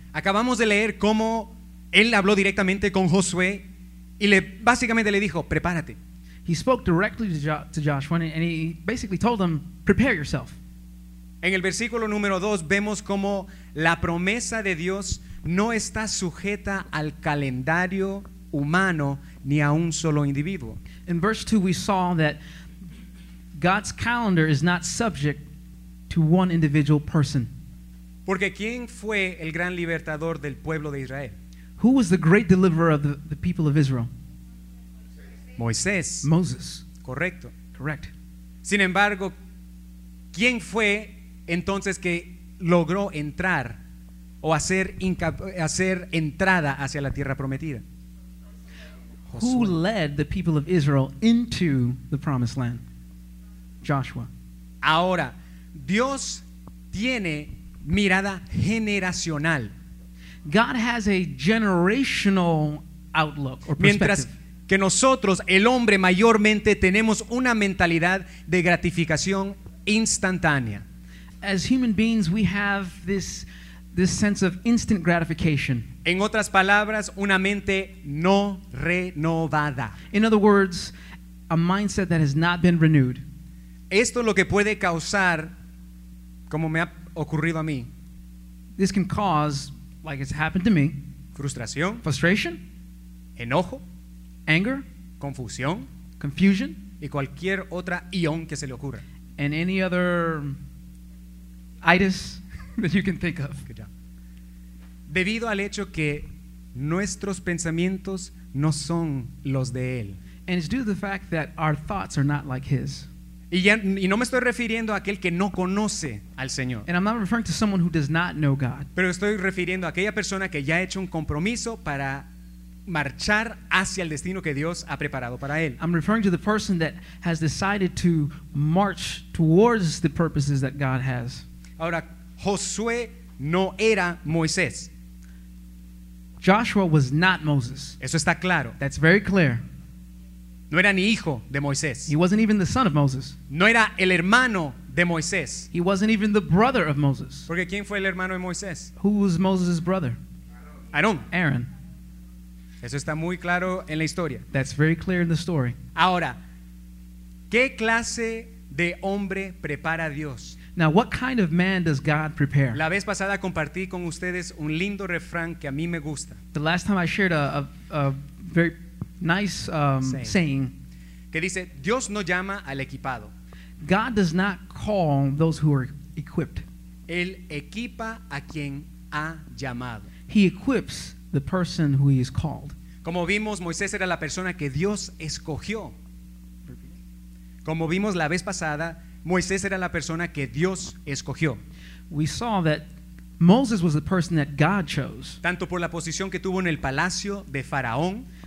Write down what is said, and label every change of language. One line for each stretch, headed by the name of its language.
Spanish: Acabamos de leer cómo él habló directamente con Josué y básicamente le dijo, prepárate.
English: He spoke directly to Joshua and he basically told him, prepare yourself.
Spanish: En el versículo número 2 vemos cómo la promesa de Dios no está sujeta al calendario humano ni a un solo individuo.
English: In verse 2 we saw that God's calendar is not subject to one individual person.
Spanish: Porque ¿quién fue el gran libertador del pueblo de Israel?
English: Who was the great deliverer of the people of Israel?
Spanish: Moisés.
English: Moses.
Spanish: Correcto.
English: Correct.
Spanish: Sin embargo, ¿quién fue entonces que logró entrar o hacer entrada hacia la tierra prometida?
English: Who led the people of Israel into the promised land? Joshua.
Spanish: Ahora, Dios tiene mirada generacional.
English: God has a generational outlook or perspective.
Spanish: Mientras que nosotros, el hombre, mayormente tenemos una mentalidad de gratificación instantánea.
English: As human beings, we have this sense of instant gratification.
Spanish: En otras palabras, una mente no renovada.
English: In other words, a mindset that has not been renewed.
Spanish: Esto es lo que puede causar, como me ha ocurrido a mí.
English: This can cause, like it's happened to me.
Spanish: Frustración.
English: Frustration.
Spanish: Enojo.
English: Anger.
Spanish: Confusión.
English: Confusion.
Spanish: Y cualquier otra ion que se le ocurra.
English: And any other itis that you can think of. Good job.
Spanish: Debido al hecho que nuestros pensamientos no son los de él.
English: And it's due to the fact that our thoughts are not like his.
Spanish: Y no me estoy refiriendo a aquel que no conoce al Señor.
English: And I'm not referring to someone who does not know God.
Spanish: Pero estoy refiriendo a aquella persona que ya ha hecho un compromiso para marchar hacia el destino que Dios ha preparado para él.
English: I'm referring to the person that has decided to march towards the purposes that God has.
Spanish: Ahora, Josué no era Moisés.
English: Joshua was not Moses.
Spanish: Eso está claro.
English: That's very clear.
Spanish: No era ni hijo de Moisés.
English: He wasn't even the son of Moses.
Spanish: No era el hermano de Moisés.
English: He wasn't even the brother of Moses.
Spanish: Porque ¿quién fue el hermano de Moisés?
English: Who was Moses' brother?
Spanish: Aarón.
English: Aaron.
Spanish: Eso está muy claro en la historia.
English: That's very clear in the story.
Spanish: Ahora, ¿qué clase de hombre prepara Dios?
English: Now, what kind of man does God prepare?
Spanish: La vez pasada compartí con ustedes un lindo refrán que a mí me gusta.
English: The last time I shared a very nice saying.
Spanish: Que dice, Dios no llama al equipado.
English: God does not call those who are equipped.
Spanish: Él equipa a quien ha llamado.
English: He equips the person who he is called.
Spanish: Como vimos, Moisés era la persona que Dios escogió. Como vimos la vez pasada, Moisés era la persona que Dios escogió.
English: We saw that Moses was the person that God chose.
Spanish: Tanto por la posición que tuvo en el palacio de Faraón.